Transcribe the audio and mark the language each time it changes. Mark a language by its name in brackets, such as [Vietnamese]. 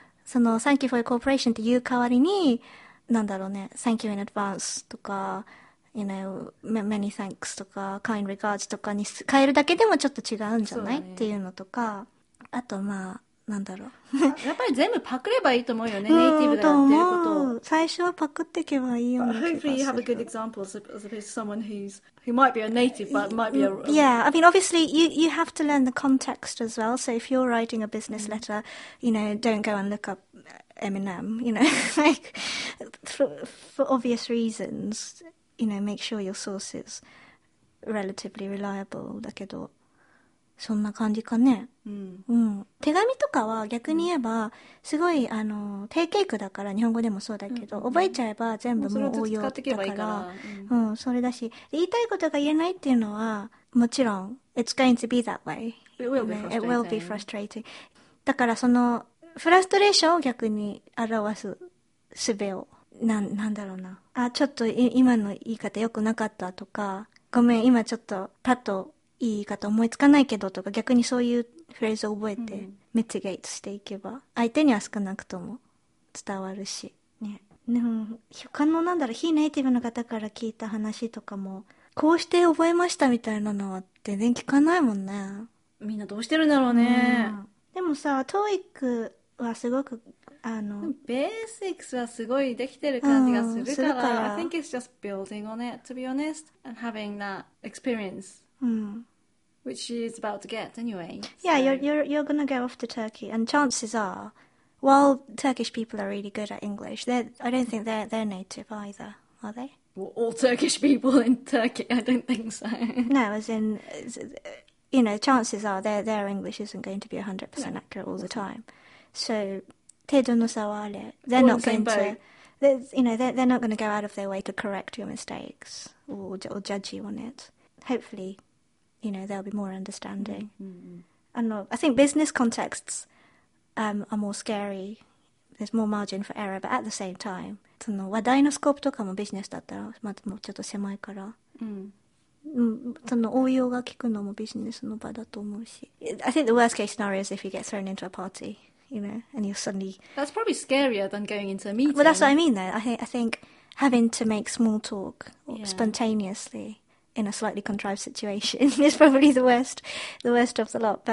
[Japanese] その [English] Thank you for your cooperation [Japanese] って言う代わりに、なんだろうね、 [English] Thank you in advance [Japanese] とか、 [English] You know, many thanks [Japanese] とか、 [English] Kind regards [Japanese] とかに変えるだけでもちょっと違うんじゃない、ね、っていうのとか、あとまあ、なんだろう。やっぱり全部パクればいいと思うよね、ネイティブがやってることを。そう、最初はパクっていけばいいよね。 [English] Hopefully you have a good example as opposed to someone who might be a native, but might be a... Yeah, I mean, obviously, you have to learn the context as well. So if you're writing a business letter, you know, don't go and look up Eminem, you know, like, for obvious reasons, you know, make sure your source is relatively reliable, [Japanese] だけど。そんな感じかね、手紙とかは逆に言えばすごい定型句だから日本語でもそうだけど、覚えちゃえば全部もう応用だから、それだし言いたいことが言えないっていうのはもちろん [English] It's going to be that way It will be frustrating [Japanese] だからそのフラストレーションを逆に表す術を なんだろうなあちょっと今の言い方良くなかったとかごめん今ちょっとパッといいかと思いつかないけどとか逆にそういうフレーズを覚えてミティゲートしていけば相手には少なくとも伝わるしね。でも他のなんだろう非ネイティブの方から聞いた話とかもこうして覚えましたみたいなのは全然聞かないもんねみんなどうしてるんだろうね、でもさ TOEIC はすごくベーシックスはすごいできてる感じがするから、 [English] I think it's just building on it to be honest and having that experienceWhich she is about to get anyway. Yeah, you're gonna go off to Turkey, and chances are, while Turkish people are really good at English, I don't think they're native either, are they? Well, all Turkish people in Turkey, I don't think so. No, as in, you know, chances are their English isn't going to be 100% accurate all the time. So, [Japanese] 程度の差はあれ [English] they're not going to, you know, they're not going to go out of their way to correct your mistakes or judge you on it. Hopefully, you know, there'll be more understanding. Mm-hmm. I think business contexts are more scary there's more margin for error, but at the same time, [Japanese] その話題のスコープとかもビジネスだったら、まあ、もうちょっと狭いから、うん、その応用が効くのもビジネスの場だと思うし。 [English] I think the worst case scenario is if you get thrown into a party, you know, and you're suddenly... That's probably scarier than going into a meeting. Well, that's what I mean, though. I think having to make small talk spontaneously in a slightly contrived situation is probably the worst of the lot.